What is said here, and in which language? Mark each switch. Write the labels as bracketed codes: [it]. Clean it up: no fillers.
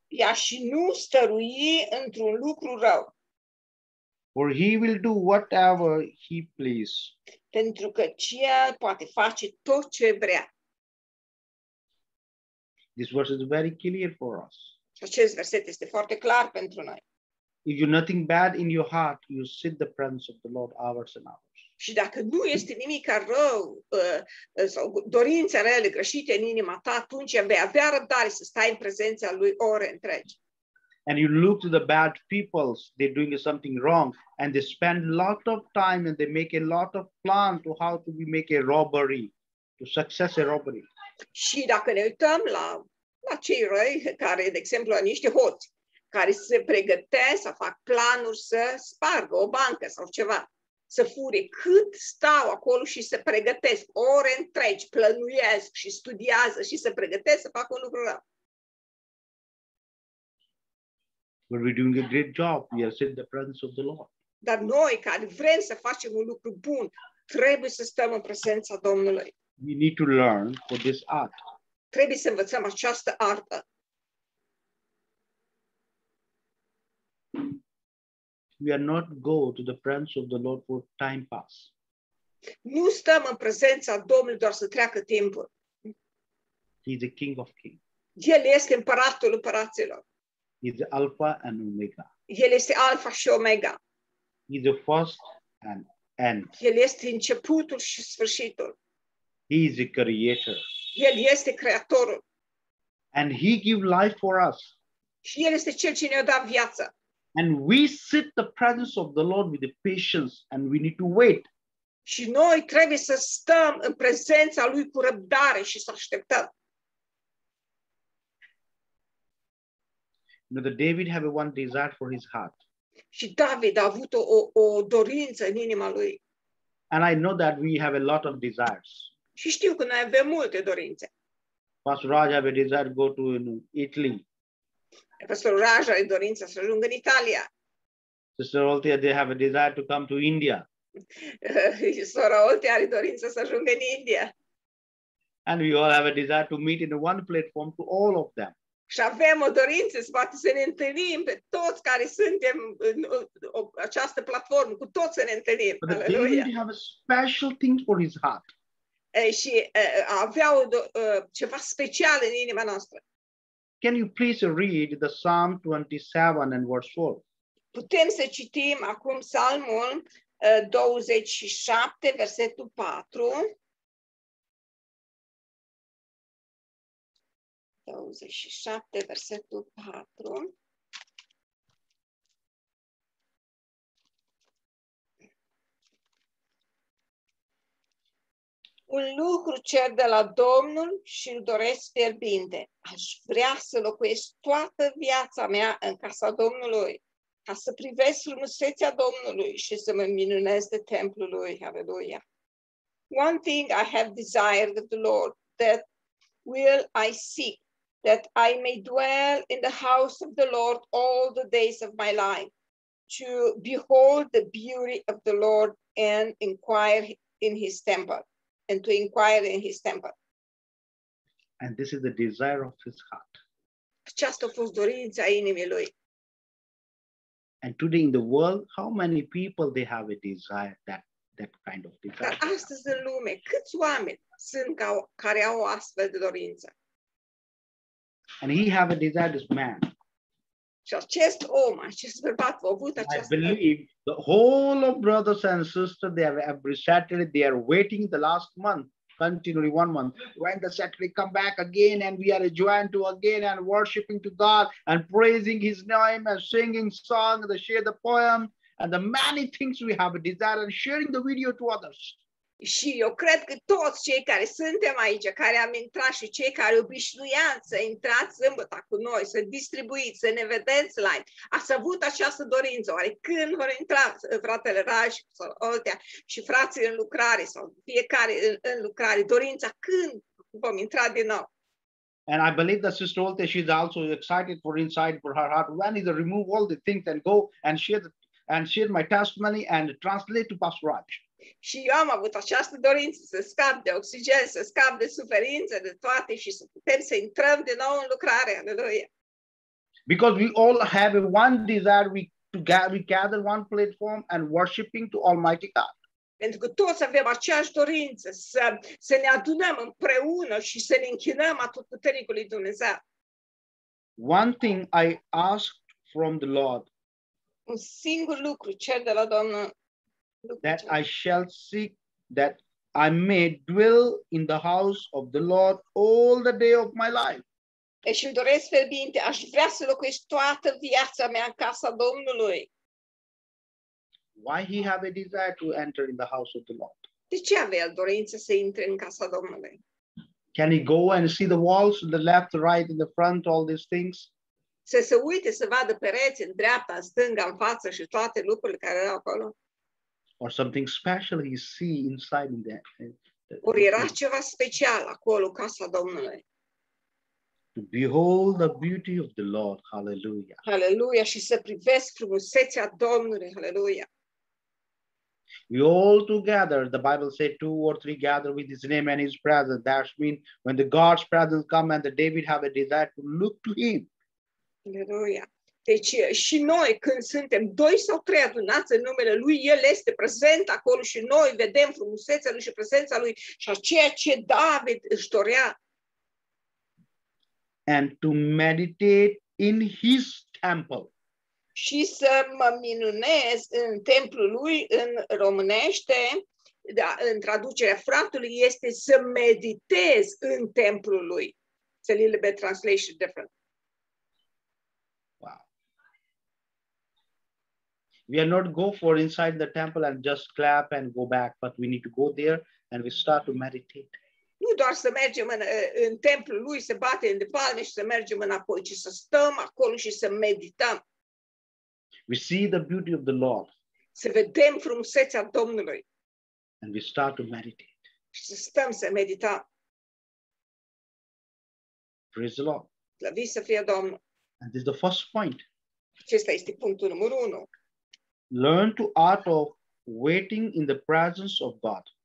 [ro] Ia și nu stărui într-un lucru rău. [en] For he will do whatever he please. [ro] Pentru că cel poate face tot ce vrea. [en] This verse is very clear for us. [ro] Acest verset este foarte clar pentru noi. [en] If you nothing bad in your heart, you sit the presence of the Lord hours and hours. [ro] Și dacă nu este nimic rău sau dorințe rele greșite în inima ta, atunci vei avea răbdare să stai în prezența lui ore întregi. [en] And you look to the bad people, they're doing something wrong and they spend a lot of time and they make a lot of plan to how to make a robbery, to success a robbery. [ro] Și dacă ne uităm la cei răi care, de exemplu, au niște hoți care se pregătesc să fac planuri să spargă o bancă sau ceva, să fure, cât stau acolo și se pregătesc, ore întregi, plănuiesc și studiază și se pregătesc să facă un lucru rău. [en] But we're doing a great job. We are in the presence of the Lord. [ro] Dar noi, care vrem să facem un lucru bun, trebuie să stăm în prezența Domnului. [en] We need to learn for this art. [ro] Trebuie să învățăm această artă. [en] We are not go to the presence of the Lord for time pass. [ro] Nu stăm în prezența Domnului doar să treacă timpul. [en] He is the King of Kings. [ro] El este împăratul împăraților. [en] He is the Alpha and Omega. [ro] El este Alpha și Omega. [en] He is the first and end. [ro] El este începutul și sfârșitul. [en] He is the Creator. [ro] El este Creatorul. [en] And He give life for us. [ro] Și El este Cel ce ne-a dat viață. [en] And we sit the presence of the Lord with the patience and we need to wait. [ro] Și noi trebuie să stăm în prezența lui cu răbdare și să așteptăm. [en] Now the David have one desire for his heart. [ro] Și David a avut o dorință în inima lui. [en] And I know that we have a lot of desires. [ro] Și știu că noi avem multe dorințe. [en] Pastor Raj have a desire to go to Italy. [ro] Pastor Raja are dorința să ajungă în Italia. [en] Sister Oltia, they have a desire to come to India. [ro] Sora Oltia are dorința să ajungă în India. [en] And we all have a desire to meet in one platform to all of them. [ro] Și avem o dorință să poate să ne întâlnim pe toți care suntem în această platformă, cu toți să ne întâlnim. [en] But David have a special thing for his heart. [ro] Și avea ceva special în inima noastră. Can you please read the Psalm 27 and verse 4? Putem să citim acum Psalmul 27, versetul 4. 27, versetul 4. Un lucru cer de la Domnul și îl doresc fierbinte. Aș vrea să locuiesc toată viața mea în casa Domnului, ca să privesc frumusețea Domnului și să mă minunez de templul lui. Aleluia! [en] One thing I have desired of the Lord, that will I seek, that I may dwell in the house of the Lord all the days of my life, to behold the beauty of the Lord and inquire in his temple. And to inquire in his temple. And this is the desire of his heart. [ro] aceasta a fost dorința inimii lui. [en] And today in the world, how many people they have a desire, that kind of desire? [ro] Dar astăzi în lume, câți oameni sunt care au o astfel de dorință? [en] And he have a desire, this man. [ro] Și acest om, acest bărbat, a avut această... [en] I believe the whole of brothers and sisters, they have every Saturday, they are waiting the last month, continually 1 month. When the Saturday come back again and we are joined to again and worshiping to God and praising his name and singing song, they share the poem and the many things we have a desire and sharing the video to others. [ro] Și eu cred că toți cei care suntem aici, care am intrat și cei care obișnuiam să intrați sâmbătă cu noi, să distribuiți, să ne vedeți live, ați avut această dorință. Oare când vor intra fratele Raj sau Oltea și frații în lucrare sau fiecare în lucrare, dorința când vom intra din nou? [en] And I believe that Sister Oltea, she's also excited for inside for her heart. When is to remove all the things and go and share my testimony and translate to Pastor Raj. [ro] Și eu am avut această dorință să scap de oxigen, să scap de suferință, de toate și să putem să intrăm din nou în lucrare. Aleluia. [en] Because we all have one desire, we gather one platform and worshiping to Almighty God. [ro] Pentru că toți avem aceeași dorință să ne adunăm împreună și să ne închinăm Atotputernicului Dumnezeu. [en] One thing I asked from the Lord. [ro] Un singur lucru cer de la Domnul. [en] That I shall seek, that I may dwell in the house of the Lord all the day of my life. [ro] Și-mi doresc fierbinte, aș vrea să locuiesc toată viața mea în casa Domnului. [en] Why he have a desire to enter in the house of the Lord? [ro] De ce avea dorință să intre în casa Domnului? [en] Can he go and see the walls, the left, the right, in the front, all these things? [ro] Să se uite, să vadă pereți în dreapta, stânga, în față și toate lucrurile care erau acolo. [en] Or something special he see inside in there. [ro] Or era ceva special acolo, casa Domnului. [en] To behold the beauty of the Lord, hallelujah. [ro] Hallelujah, și să privesc frumusețea Domnului, hallelujah. [en] We all together, the Bible said, two or three gather with his name and his presence. That means when the God's presence come and the David have a desire to look to him. Hallelujah. [ro] Deci și noi când suntem doi sau trei adunați în numele Lui, El este prezent acolo și noi vedem frumusețea Lui și prezența Lui și ceea ce David își dorea. [en] And to meditate in his temple. [ro] Și să mă minunez în templul Lui, în românește, da, în traducerea fratului, este să meditez în templul Lui. [en] It's a little bit translation different. We are not go for inside the temple and just clap and go back, but we need to go there and we start to meditate. [ro] Nu doar să mergem în templul Lui, să bate în de palme și să mergem înapoi, ci să stăm acolo și să medităm. [en] We see the beauty of the Lord. [ro] Să vedem frumusețea Domnului. [en] And we start to meditate. [ro] Și să stăm să medităm. [en] Praise the Lord. [ro] Slăviți să fie Domnul. [en] And this is the first point. [ro] Acesta este punctul numărul unu. [en] Learn to art of waiting in the presence of God.